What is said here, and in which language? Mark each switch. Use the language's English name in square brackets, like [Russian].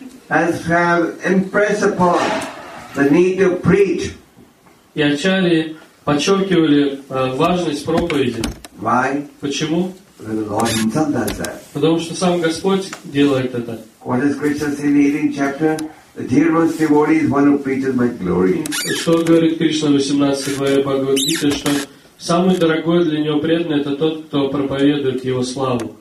[English] As have impressed upon the need to preach. [Russian] И ачарьи подчеркивали важность проповеди. [English] Why? [Russian] Почему? [English] Because the Lord Himself does that. [Russian] Потому что сам Господь делает это. [English] What does Krishna say in the 18th chapter? The dear one's devotee is one who preaches my glory. [Russian] Что говорит Кришна в 18 главе Бхагавад Гиты, что самый дорогой для него преданный это тот, кто проповедует его славу.